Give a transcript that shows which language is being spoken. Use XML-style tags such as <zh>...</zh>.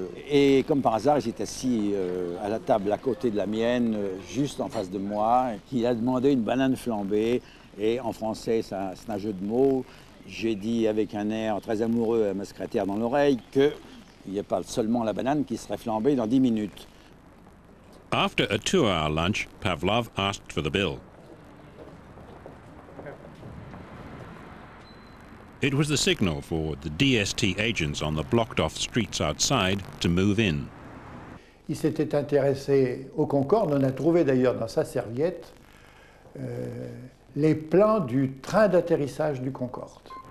<fr>Et comme par hasard, il s'est assis à la table à côté de la mienne, juste en face de moi. Il a demandé une banane flambée. Et en français, c'est un jeu de mots. J'ai dit avec un air très amoureux à ma secrétaire dans l'oreille qu'il n'y a pas seulement la banane qui serait flambée dans 10 minutes.</fr> <en>After a two-hour lunch, Pavlov asked for the bill. It was the signal for the DST agents on the blocked-off streets outside to move in.</en> <fr>Il s'était intéressé au Concorde. On a trouvé d'ailleurs dans sa serviette les plans du train d'atterrissage du Concorde.</fr>